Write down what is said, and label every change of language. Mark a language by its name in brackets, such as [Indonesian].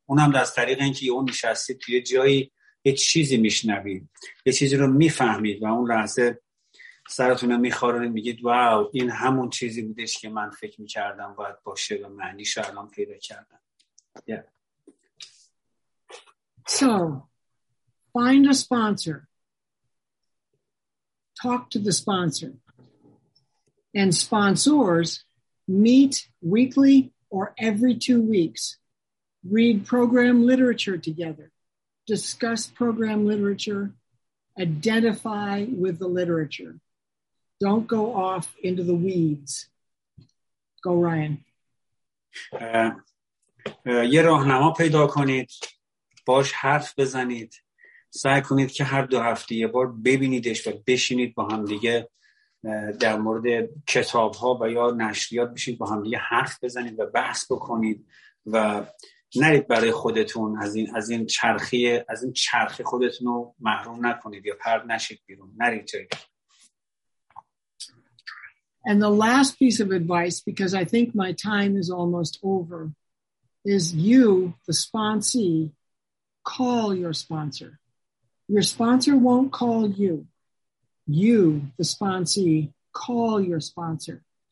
[Persian] اونم از طریق اینکه یهو نشستید توی جایی یه چیزی میشنوید، یه چیزی رو میفهمید و اون لحظه سرتون رو میخارید، میگید واو این همون چیزی بودش که من فکر میکردم باید باشه و معنیش رو الان پیدا کردم. [English] So find a sponsor, talk to the sponsor, and sponsors meet weekly or every 2 weeks, read program literature together, discuss program literature, identify with the literature. Don't go off into the weeds. Go, Ryan. [Persian] یه راهنما پیدا کنید، باش حرف بزنید، سعی کنید که هر دو هفته یه بار ببینیدش و بشینید با هم دیگه در مورد کتاب ها و یا نشریات بشینید با هم دیگه حرف بزنید و بحث بکنید و نرید برای خودتون از این چرخه خودتون رو محروم نکنید یا پرد نشید بیرون، نرید جایی. [English] And the last piece of advice, because I think my time is almost over, is you, the sponsee, call your sponsor. Your sponsor won't call you. You, the sponsee, call your sponsor.